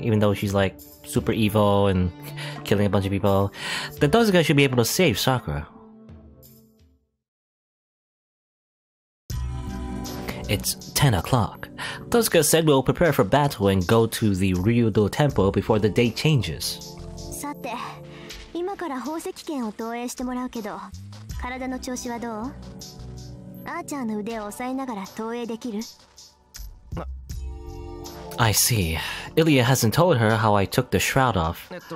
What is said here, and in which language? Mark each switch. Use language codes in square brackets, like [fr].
[en] Even though she's like super evil and killing a bunch of people, then those guys should be able to save Sakura. It's 10 o'clock. Tosuka said we'll prepare for battle and go to the Ryudo Temple before the day changes. [ja] さて、今から宝石剣を投影してもらうけど、体の調子はどう？アーチャーの腕を押さえながら投影できる？ [en] I see. Ilya hasn't told her how I took the shroud off.